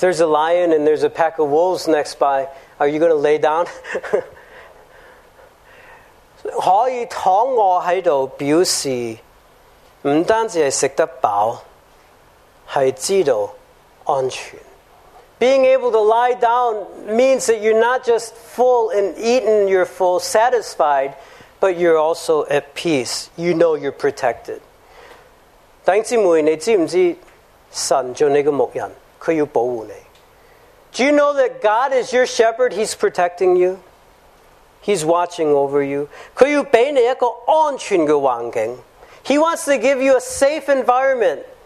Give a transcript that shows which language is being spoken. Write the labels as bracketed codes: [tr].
[en] there's a lion and there's a pack of wolves next by, are you going to lay down? [zh] 可以躺卧在这里表示不单只是吃得饱，是知道安全。 [en] Being able to lie down means that you're not just full and eaten, you're full, satisfied, but you're also at peace. You know you're protected. [zh] 弟兄姊妹，你知不知神做你的牧人，他要保护你。 [en] Do you know that God is your shepherd? He's protecting you. He's watching over you. [zh] 他要给你一个安全的环境。 [en] He wants to give you a safe environment.